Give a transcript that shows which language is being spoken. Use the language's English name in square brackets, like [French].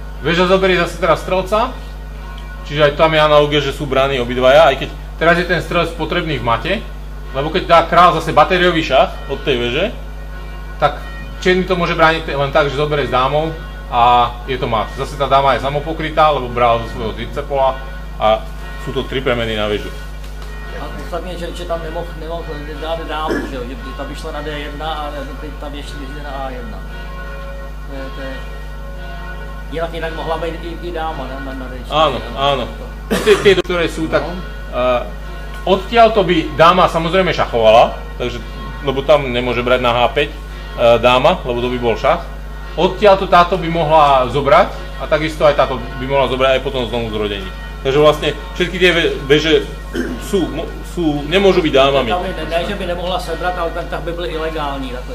[Slovak] Veža zoberie zase teraz strelca. Čiže aj tam je analogia, že sú brány obidvaja, aj keď teraz je ten strelec potrebný v mate. Lebo keď dá král zase batériový šach od tej veže, tak černý to môže brániť len tak, že zoberie s dámou a je to mat. Zase tá dáma je samopokrytá, lebo bral zo svojho circe pola a sú to tri premeny na vežu. [Czech] Ostatně, že tam nemohl dát dámu, že tam vyšla na D1 a teď tam ještě vyšla na A1. Jinak mohla být i dáma, ne? Na D4. [Slovak] Áno, áno. Ty, ktoré sú, tak odtiaľ to by dáma samozrejme šachovala, takže, lebo tam nemôže brať na H5 dáma, lebo to by bol šach. odtiaľ to táto by mohla zobrať a takisto aj táto by mohla zobrať aj potom znovu zrodení. Takže vlastne všetky tie veže sú, sú, nemôžu byť dámami. [Czech] Ne, že by nemohla sebrať, ale tak by byly ilegální.